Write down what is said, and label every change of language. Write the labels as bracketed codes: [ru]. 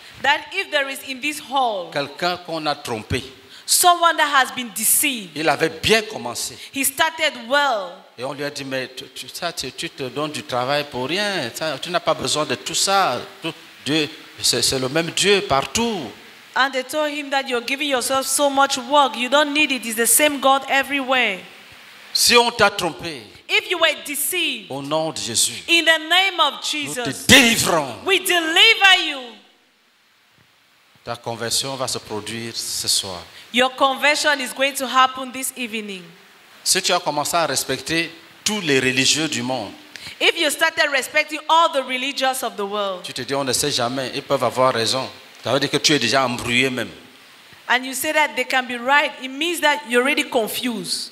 [en] that if there is in this hall, [fr] quelqu'un qu'on a trompé, [en] someone that has been deceived, [fr] il avait bien commencé, [en] he started well, [fr] et on lui a dit, mais tu te donnes du travail pour rien, ça, tu n'as pas besoin de tout ça, tout, Dieu, c'est le même Dieu partout. [en] And they told him that you're giving yourself so much work, you don't need it, it's the same God everywhere. [fr] Si on t'a trompé, [en] if you were deceived, [fr] au nom de Jésus, [en] in the name of Jesus, [fr] nous te délivrons. [en] We deliver you. [fr] Ta conversion va se produire ce soir. [en] Your conversion is going to happen this evening. [fr] Si tu as commencé à respecter tous les religieux du monde, [en] if you started respecting all the religious of the world, [fr] tu te dis on ne sait jamais, ils peuvent avoir raison. Ça veut dire que tu es déjà embrouillé même. [en] And you say that they can be right, it means that you're already confused.